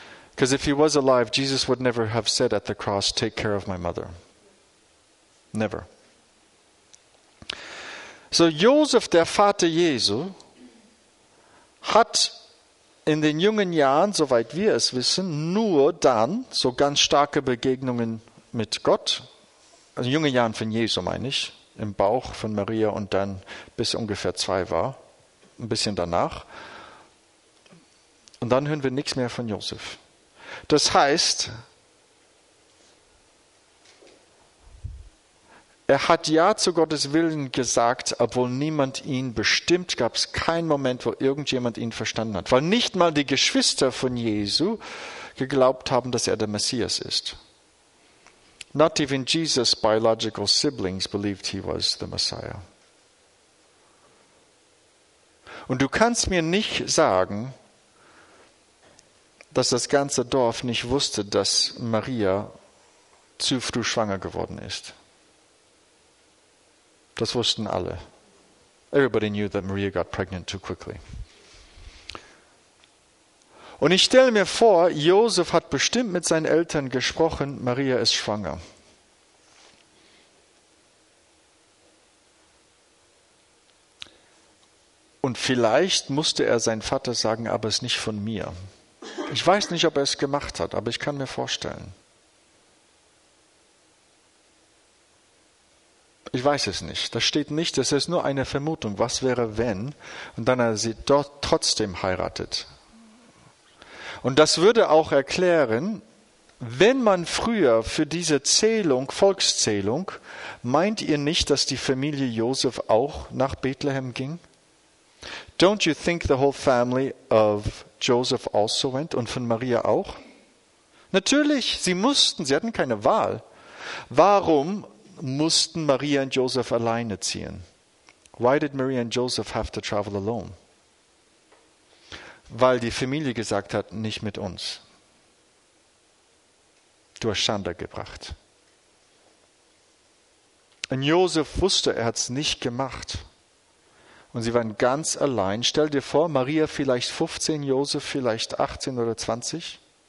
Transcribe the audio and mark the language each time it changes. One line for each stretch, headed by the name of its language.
English: Because if he was alive, Jesus would never have said at the cross, take care of my mother. Never.
German: So Josef, der Vater Jesu, hat in den jungen Jahren, soweit wir es wissen, nur dann so ganz starke Begegnungen mit Gott, also in den jungen Jahren von Jesu meine ich, im Bauch von Maria und dann bis ungefähr 2 war, ein bisschen danach. Und dann hören wir nichts mehr von Josef. Das heißt, er hat ja zu Gottes Willen gesagt, obwohl niemand ihn bestimmt, gab es keinen Moment, wo irgendjemand ihn verstanden hat. Weil nicht mal die Geschwister von Jesu geglaubt haben, dass er der Messias ist.
English: Not even Jesus' biological siblings believed he was the Messiah.
German: Und du kannst mir nicht sagen, dass das ganze Dorf nicht wusste, dass Maria zu früh schwanger geworden ist. Das wussten alle.
English: Everybody knew that Maria got pregnant too quickly.
German: Und ich stelle mir vor, Josef hat bestimmt mit seinen Eltern gesprochen, Maria ist schwanger. Und vielleicht musste er seinen Vater sagen, aber es ist nicht von mir. Ich weiß nicht, ob er es gemacht hat, aber ich kann mir vorstellen. Ich weiß es nicht. Das steht nicht, das ist nur eine Vermutung. Was wäre, wenn? Und dann er sie dort trotzdem heiratet. Und das würde auch erklären, wenn man früher für diese Zählung, Volkszählung, meint ihr nicht, dass die Familie Josef auch nach Bethlehem ging?
English: Don't you think the whole family of Joseph also went
German: und von Maria auch? Natürlich, sie mussten, sie hatten keine Wahl. Warum mussten Maria und Joseph alleine ziehen?
English: Why did Maria and Joseph have to travel alone?
German: Weil die Familie gesagt hat, nicht mit uns. Du hast Schande gebracht. Und Joseph wusste, er hat es nicht gemacht. Und sie waren ganz allein. Stell dir vor, Maria vielleicht 15, Josef vielleicht 18 oder 20.